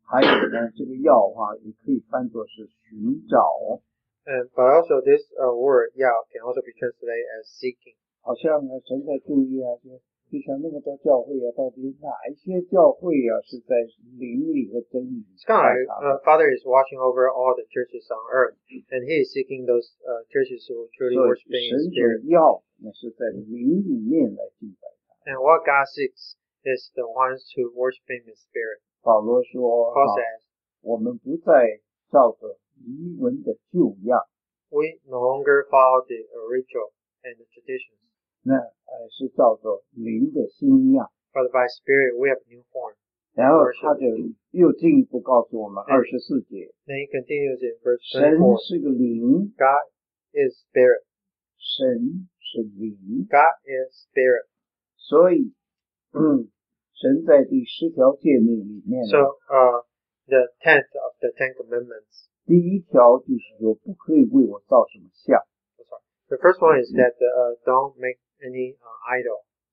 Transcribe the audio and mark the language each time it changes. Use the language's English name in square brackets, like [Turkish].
[Chinese] 还有呢,这个要啊, 也可以翻作是寻找, [English] and, but also this word 要, can also be translated as seeking. [Chinese] 好像呢,神在注意啊,就像那么多教会啊,到底哪一些教会啊, [English] it's kind of like Father is watching over all the churches on earth, and he is seeking those churches who truly worship in spirit. And what God seeks is the ones who worship Him in spirit. [Chinese] 保罗说, [English] Paul says, [Chinese] 我们不再照着遗文的旧样, [English] we no longer follow the ritual and the traditions. [Chinese] 那是照着灵的新样, [English] but by spirit, we have new form. [Chinese] 然后他就又进一步告诉我们, 24节, [English] then he continues in verse 24. [Chinese] 神是个灵, [English] God is spirit. [Chinese] 神是灵, [English] God is spirit. [Chinese] 所以神在第十条诫命里面, [English] so the tenth of the ten commandments. [Chinese] 第一条就是说不可以为我造什么像, [English] the first one is that don't make any idol.